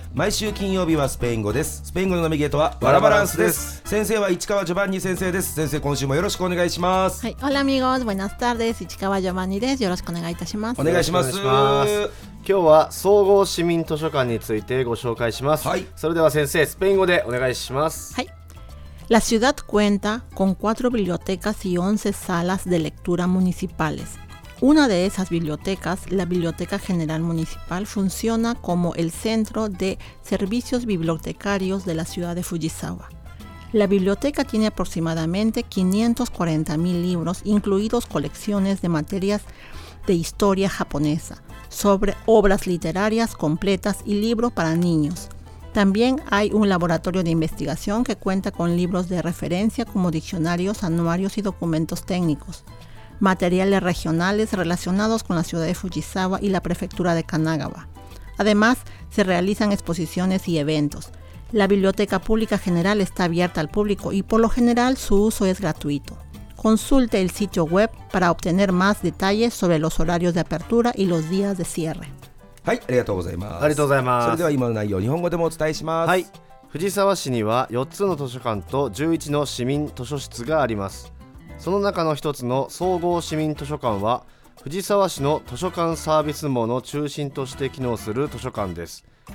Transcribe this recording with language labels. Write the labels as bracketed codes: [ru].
[ja] 毎週金曜日はスペイン語です。スペイン語のナビゲートはワラバランスです。先生は市川ジョバンニ先生です。先生、今週もよろしくお願いします。はい、 [es] オラミゴズ、ボイナスタール [ja] です。市川ジョバンニです。よろしくお願いいたします。お願いします。今日は総合市民図書館についてご紹介します。はい、それでは先生、スペイン語でお願いします。はい。 [es] La ciudad cuenta con 4 bibliotecas y 11 salas de lectura municipales. Una de esas bibliotecas, la Biblioteca General Municipal, funciona como el centro de servicios bibliotecarios de la ciudad de Fujisawa. La biblioteca tiene aproximadamente 540.000 libros, incluidos colecciones de materias de historia japonesa, sobre obras literarias completas y libros para niños. También hay un laboratorio de investigación que cuenta con libros de referencia como diccionarios, anuarios y documentos técnicos, materiales regionales relacionados con la ciudad de Fujisawa y la prefectura de Kanagawa. Además, se realizan exposiciones y eventos. La Biblioteca Pública General está abierta al público y por lo general su uso es gratuito. Consulte el sitio web para obtener más detalles sobre los horarios de apertura y los días de cierre. [ja] はい、ありがとうございます。ありがとうございます。それでは今の内容、日本語でもお伝えします。はい。藤沢市には4つの図書館と11の市民図書室があります。その中の1つの総合市民図書館は藤沢市の図書館サービス網の中心として機能する図書館です。